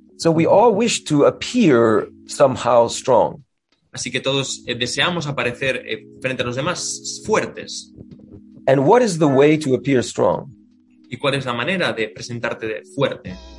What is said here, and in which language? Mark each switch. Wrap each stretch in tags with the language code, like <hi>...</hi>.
<en>So we all wish to appear somehow strong.</en> <es>Así que todos deseamos aparecer frente a los demás fuertes.</es> <en>And what is the way to appear strong?</en> <es>¿Y cuál es la manera de presentarte de fuerte?</es>